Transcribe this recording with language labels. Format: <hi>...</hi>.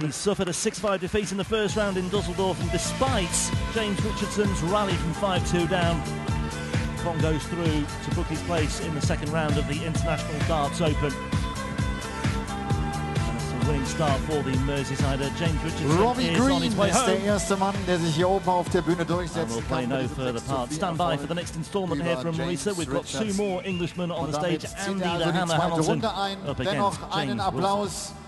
<en>He suffered a 6-5 defeat in the first round in Dusseldorf, and despite James Richardson's rally from 5-2 down, Kong goes through to book his place in the second round of the International Darts Open. And it's a winning start for the Merseysider. James Richardson Robbie is Green, on his way home.</en> <de>Der erste Mann, der sich hier oben auf der Bühne durchsetzt.</de> <en>And we'll play no further part. Stand by for the next installment here from Marisa. We've got two more Englishmen on the stage. Andy the Hammer Hamilton up against James Wilson.</en>